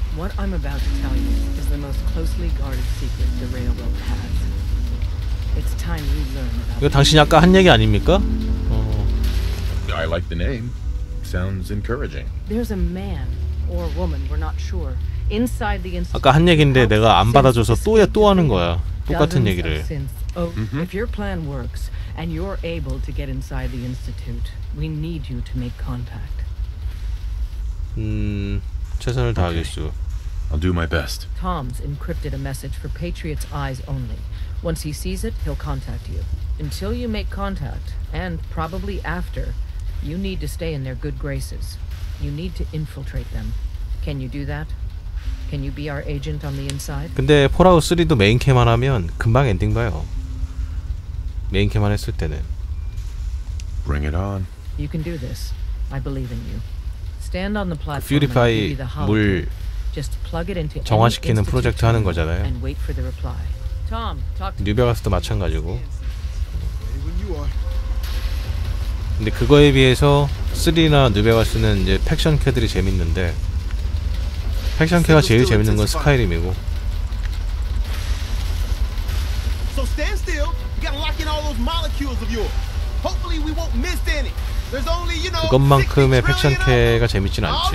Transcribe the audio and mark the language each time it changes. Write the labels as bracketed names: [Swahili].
[English] What I'm about to tell you is the most closely guarded secret the railroad has. It's time we learn about. [Korean] 이거 당신이 아까 한 얘기 아닙니까? [English] 어. I like the name. Sounds encouraging. There's a man or a woman. We're not sure. Inside the institute. [Korean] 아까 한 얘긴데 내가 안 받아줘서 또 하는 거야. 똑같은 얘기를. [English] Oh, mm-hmm. If your plan works and you're able to get inside the institute, we need you to make contact. [Korean] 최선을 다하겠소. [English] I'll do my best. Tom's encrypted a message for Patriot's eyes only. Once he sees it, he'll contact you. Until you make contact, and probably after, you need to stay in their good graces. You need to infiltrate them. Can you do that? Can you be our agent on the inside? [Korean] 근데 폴아웃3도 메인캠만 하면 금방 엔딩 봐요. 메인캠만 했을 때는. [English] Bring it on. You can do this. I believe in you. Stand on the platform. [Korean] 퓨리파이 물 정화시키는 프로젝트 하는 거잖아요. [English] And wait for the reply. Tom, talk to me. [Korean] 뉴베가스도 마찬가지고. 근데 그거에 비해서 3나 뉴베가스는 이제 팩션 캐들이 재밌는데 팩션 캐가 제일 재밌는 건 스카이림이고. [English] So stand still. You gotta lock in all those molecules of yours. Hopefully we won't miss any. There's only, you know, [Korean] 그것만큼의 팩션 캐가 재밌진 않지.